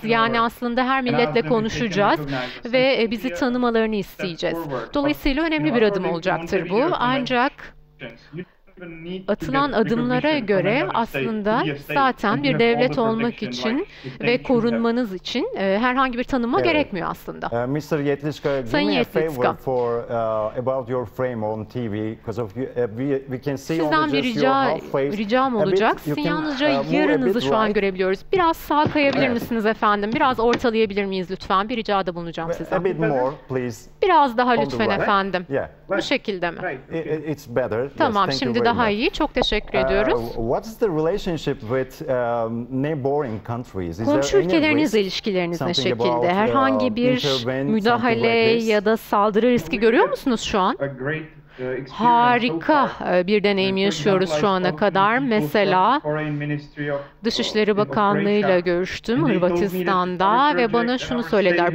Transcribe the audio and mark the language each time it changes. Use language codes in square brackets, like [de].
[tr] Yani aslında her milletle konuşacağız. Ve bizi tanımalarını isteyeceğiz. Dolayısıyla önemli bir adım olacaktır bu. Ancak atılan adımlara göre aslında zaten bir devlet olmak için ve korunmanız için herhangi bir tanıma gerekmiyor aslında. [en] Mr. Yetlişka, [tr] Sayın Yetlişka, [en] about your frame on TV, because we can see [tr] sizden [en] on [tr] bir ricam olacak. Sizin yalnızca yarınızı şu an görebiliyoruz. Biraz sağ kayabilir misiniz efendim? Biraz ortalayabilir miyiz lütfen? Bir ricada bulunacağım size. [en] A bit more, please. [tr] Biraz daha lütfen efendim. Bu şekilde mi? [en] It's better. [tr] Tamam, [en] yes, [tr] şimdi daha iyi. Çok teşekkür ediyoruz. [en] What's the relationship with neighboring countries? [tr] Komşu ülkeleriniz ilişkileriniz ne şekilde? Herhangi bir müdahale ya da saldırı riski görüyor musunuz şu an? Harika bir deneyim yaşıyoruz şu ana kadar. Mesela Dışişleri Bakanlığı'yla görüştüm Hırvatistan'da ve bana şunu söylediler.